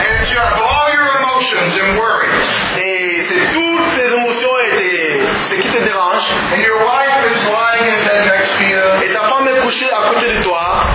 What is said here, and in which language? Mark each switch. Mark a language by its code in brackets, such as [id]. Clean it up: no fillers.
[en] And it's just all your emotions and worries. [fr] Et c'est toutes tes émotions et ce qui te dérange. [en] And your wife is lying in bed next to you. [fr] Et ta femme est couchée à côté de toi.